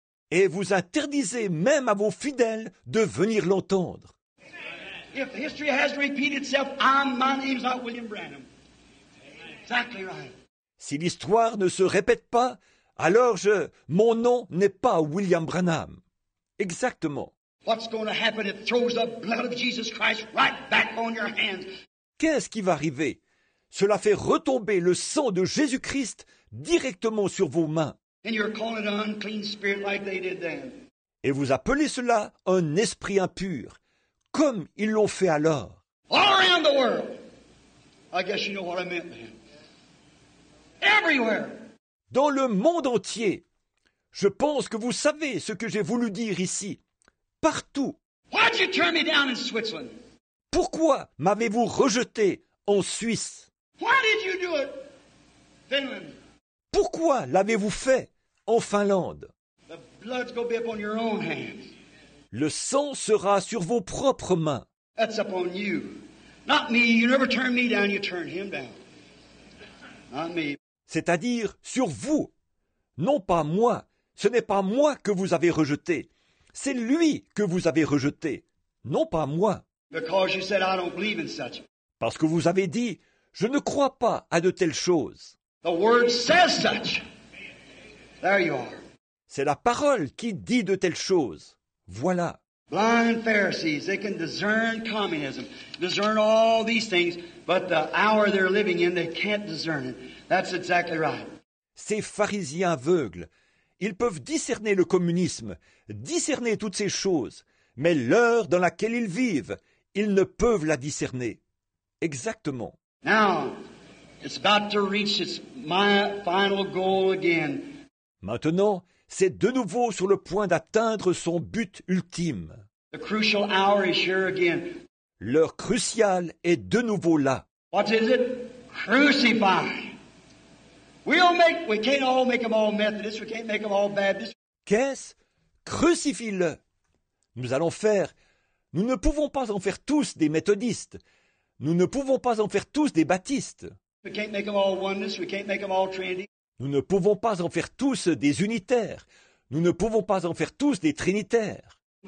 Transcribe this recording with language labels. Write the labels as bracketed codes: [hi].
[fr] Et vous interdisez même à vos fidèles de venir l'entendre. [en] If history has repeated itself, my name's not William Branham. Exactly right. [fr] Si l'histoire ne se répète pas, alors mon nom n'est pas William Branham. Exactement. [en] What's going to happen if it throws the blood of Jesus Christ right back on your hands? [fr] Qu'est-ce qui va arriver? Cela fait retomber le sang de Jésus-Christ directement sur vos mains. [en] And you're calling an unclean spirit like they did then. [fr] Et vous appelez cela un esprit impur, comme ils l'ont fait alors. [en] All around the world. I guess you know what I meant then. Everywhere. [fr] Dans le monde entier. Je pense que vous savez ce que j'ai voulu dire ici. Partout. [en] Why'd you turn me down in Switzerland? [fr] Pourquoi m'avez-vous rejeté en Suisse? [en] Why did you do it? Finland. [fr] Pourquoi l'avez-vous fait en Finlande? [en] The blood's gonna be up on your own hands. [fr] Le sang sera sur vos propres mains. [en] That's up on you. Not me. You never turn me down, you turn him down. Not me. [fr] C'est-à-dire sur vous. Non pas moi. Ce n'est pas moi que vous avez rejeté. C'est lui que vous avez rejeté. Non pas moi. [en] Because you said, I don't believe in such. [fr] Parce que vous avez dit, je ne crois pas à de telles choses. [en] The word says such. There you are. [fr] C'est la parole qui dit de telles choses. Voilà. [en] Blind Pharisees, they can discern communism, discern all these things, but the hour they're living in, they can't discern it. That's exactly right. [fr] Ces pharisiens aveugles, ils peuvent discerner le communisme, discerner toutes ces choses, mais l'heure dans laquelle ils vivent, ils ne peuvent la discerner. Exactement. [en] Now, it's about to reach its my final goal again. [fr] Maintenant, c'est de nouveau sur le point d'atteindre son but ultime. [en] The crucial hour is here again. L'heure cruciale est de nouveau là. What is it? Crucify. We can't all make them all Methodists. We can't make them all Baptists. [fr] Qu'est-ce? Crucifie-le. Nous ne pouvons pas en faire tous des méthodistes. Nous ne pouvons pas en faire tous des baptistes. [en] We can't make them all oneness. We can't make them all Trinity. [fr] Nous ne pouvons pas en faire tous des unitaires. Nous ne pouvons pas en faire tous des trinitaires.